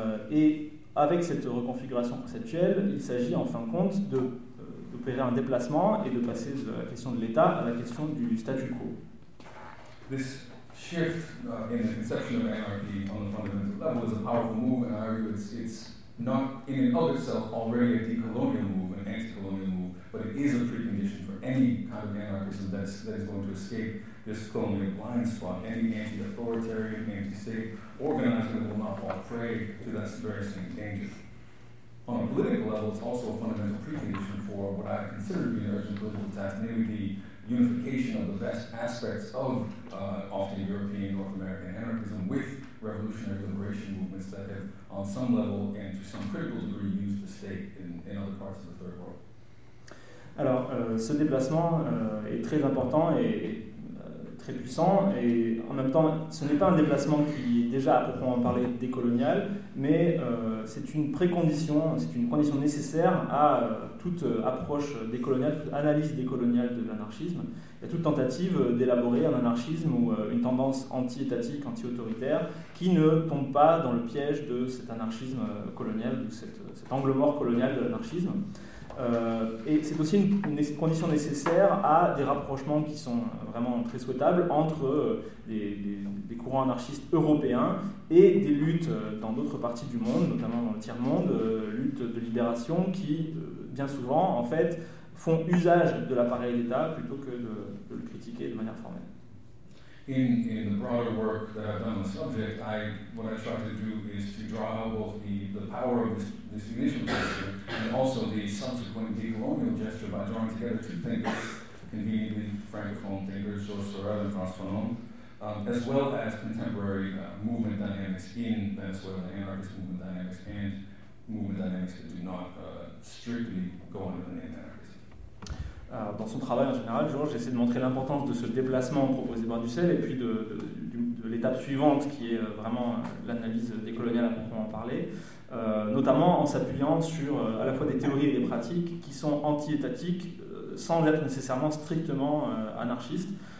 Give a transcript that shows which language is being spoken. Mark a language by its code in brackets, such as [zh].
[fr] Et avec cette reconfiguration conceptuelle, il s'agit en fin de compte d'opérer un déplacement et de passer de la question de l'État à la question du statu quo. [en] This shift in the conception of anarchy on the fundamental level is a powerful move, and I argue it's not in and of itself already a decolonial move, an anti-colonial move, but it is a precondition for any kind of anarchism that is going to escape this colonial blind spot, any anti-authoritarian, anti-state organizing will not fall prey to that very same danger. On a political level, it's also a fundamental precondition for what I consider to be an urgent political task, namely the unification of the best aspects of often European, North American anarchism with revolutionary liberation movements that have, on some level and to some critical degree, used the state in other parts of the Third World. [fr] Alors, ce déplacement est très important et très puissant, et en même temps, ce n'est pas un déplacement qui est déjà, à proprement parler, décolonial, mais c'est une précondition, c'est une condition nécessaire à toute approche décoloniale, toute analyse décoloniale de l'anarchisme, et à toute tentative d'élaborer un anarchisme ou une tendance anti-étatique, anti-autoritaire, qui ne tombe pas dans le piège de cet anarchisme colonial, ou cet angle mort colonial de l'anarchisme. Et c'est aussi une condition nécessaire à des rapprochements qui sont vraiment très souhaitables entre des courants anarchistes européens et des luttes dans d'autres parties du monde, notamment dans le tiers-monde, luttes de libération qui, bien souvent, en fait, font usage de l'appareil d'État plutôt que de le critiquer de manière formelle. [en] In the broader work that I've done on the subject, what I try to do is to draw out both the power of this initial gesture, and also the subsequent decolonial gesture by drawing together two thinkers, conveniently Francophone thinkers, Georges Sorel and Frantz Fanon, as well as contemporary movement dynamics in Venezuela, anarchist movement dynamics, and movement dynamics that do not strictly go under the name anarchist. [fr] Dans son travail en général, Georges essaie de montrer l'importance de ce déplacement proposé par Ducel et puis de l'étape suivante qui est vraiment l'analyse décoloniale à proprement parler, notamment en s'appuyant sur à la fois des théories et des pratiques qui sont anti-étatiques sans être nécessairement strictement anarchistes.